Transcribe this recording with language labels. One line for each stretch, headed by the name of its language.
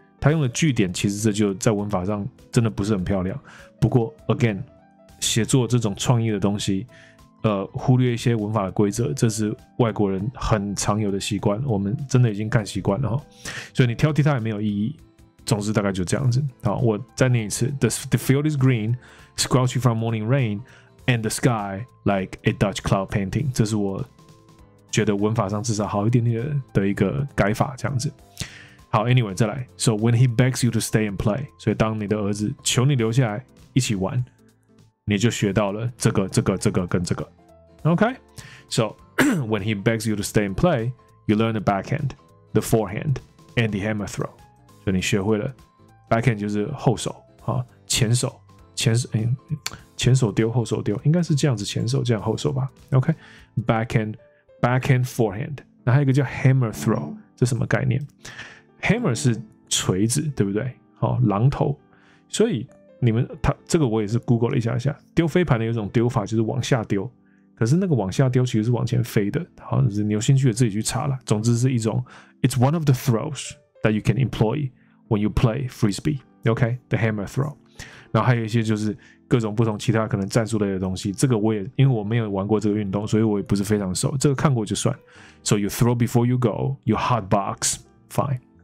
Chinese: 他用的句点其实这就在文法上真的不是很漂亮。不过 again， 写作这种创意的东西。忽略一些文法的规则，这是外国人很常有的习惯，我们真的已经看习惯了，所以你挑剔它也没有意义。总之大概就这样子。好，我再念一次
English: the field is green, squelchy from morning rain, and the sky like a Dutch cloud painting。
Chinese: 这是我觉得文法上至少好一点点的一个改法，这样子。好 anyway 再来
English: so when he begs you to stay and play，
Chinese: 所以当你的儿子求你留下来一起玩，你就学到了这个、这个、这个跟这个。
English: OK， so when he begs you to stay and play， you learn the backhand， the forehand， and the hammer throw。
Chinese: 所以你学会了 backhand 就是后手啊，前手、前手、前手丢、后手丢，应该是这样子，前手这样后手吧。 OK， backhand， backhand， forehand。 那还有一个叫 hammer throw， 这什么概念 ？Hammer 是锤子，对不对？好，榔头，所以。你们他这个我也是 Google 了一下，丢飞盘的有一种丢法就是往下丢，可是那个往下丢其实是往前飞的，好，你有兴趣的自己去查了。总之是一种
English: ，It's one of the throws that you can employ when you play frisbee. OK, the hammer throw.
Chinese: 然后还有一些就是各种不同其他可能战术类的东西，这个我也因为我没有玩过这个运动，所以我也不是非常熟。这个看过就算。
English: So you throw before you go, you hard box, fine.